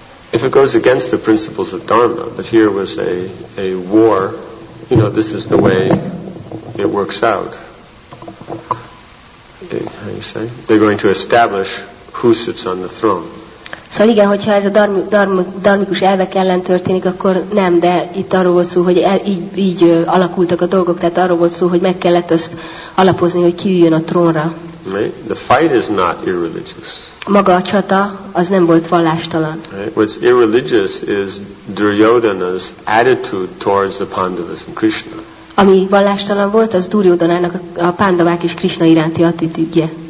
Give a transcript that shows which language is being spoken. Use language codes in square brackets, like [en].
[en] If it goes against the principles of dharma, but here was a war, you know, this is the way it works out. How you say? They're going to establish who sits on the throne. So, [hu] igen, hogyha ez a dharmikus elvek ellen történik, akkor nem, de itt arról volt szó, hogy így alakultak a dolgok, tehát arról volt szó, hogy meg kellett azt alapozni, hogy ki üljön a trónra. [en] Right? The fight is not irreligious. [hu] Maga a csata, az nem volt vallástalan. [en] Right? What's irreligious is Duryodhana's attitude towards the Pandavas and Krishna. [hu] Ami vallástalan volt, az Duryodhanának a Pandavák és Krishna iránti attitűdje.